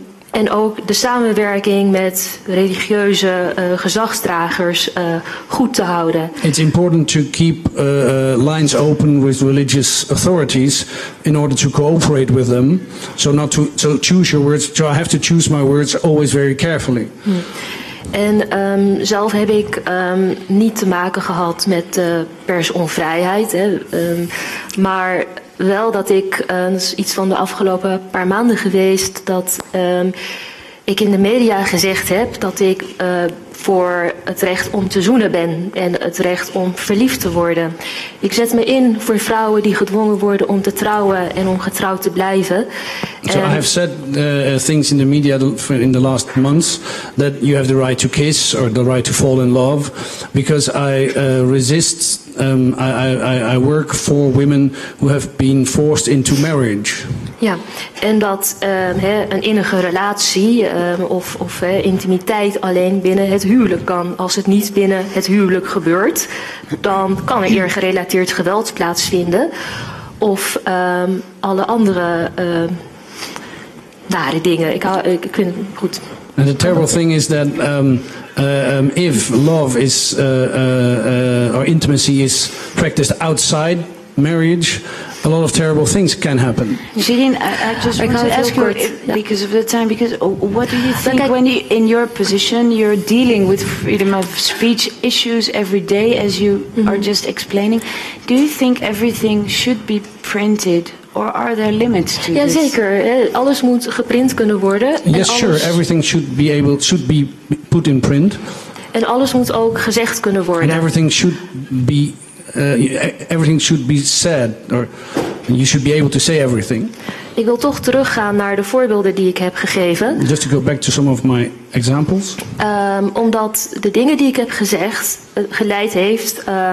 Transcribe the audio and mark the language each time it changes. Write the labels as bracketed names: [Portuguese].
[Dutch] En ook de samenwerking met religieuze gezagsdragers goed te houden. [English] It's important to keep lines open with religious authorities in order to cooperate with them. So choose your words. So I have to choose my words always very carefully. [Dutch] En zelf heb ik niet te maken gehad met personvrijheid, hè, maar wel dat ik, dat is iets van de afgelopen paar maanden geweest, dat ik in de media gezegd heb dat ik voor het recht om te zoenen ben en het recht om verliefd te worden. Ik zet me in voor vrouwen die gedwongen worden om te trouwen en om getrouwd te blijven. [English] So I have said things in the media in the last months that you have the right to kiss or the right to fall in love because I resist, I work for women who have been forced into marriage. [Dutch] Ja, en dat een innige relatie of intimiteit alleen binnen het huwelijk kan. Als het niet binnen het huwelijk gebeurt, dan kan er eer gerelateerd geweld plaatsvinden of alle andere nare dingen. Ik vind het goed. [English] And the terrible thing is that if love is or intimacy is practiced outside marriage, a lot of terrible things can happen. Shirin, I just want to ask you because of the time. Because what do you think when you, in your position, you're dealing with freedom of speech issues every day, as you are just explaining? Do you think everything should be printed? Or are there limits to this? [Dutch] Zeker. Alles moet geprint kunnen worden. [English] Yes, sure. Everything should be put in print. [Dutch] En alles moet ook gezegd kunnen worden. [English] And everything should be said, or you should be able to say everything. [Dutch] Ik wil toch teruggaan naar de voorbeelden die ik heb gegeven. [English] Just to go back to some of my examples. [Dutch] Omdat de dingen die ik heb gezegd geleid heeft.